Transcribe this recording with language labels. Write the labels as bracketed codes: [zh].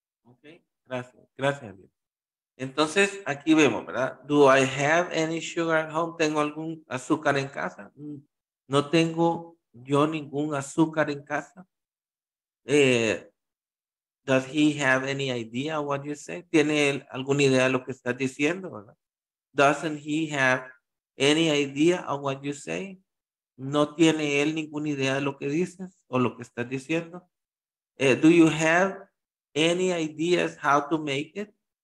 [es] Okay, gracias. Entonces, aquí vemos, ¿verdad? [en] Do I have any sugar at home? [es] ¿Tengo algún azúcar en casa? ¿No tengo yo ningún azúcar en casa? [en] Does he have any idea what you say? [es] ¿Tiene él alguna idea de lo que está diciendo, verdad? [en] Doesn't he have any idea of what you say? [es] ¿No tiene él ninguna idea de lo que dices o lo que estás diciendo? [en] Do you have any ideas how to make it?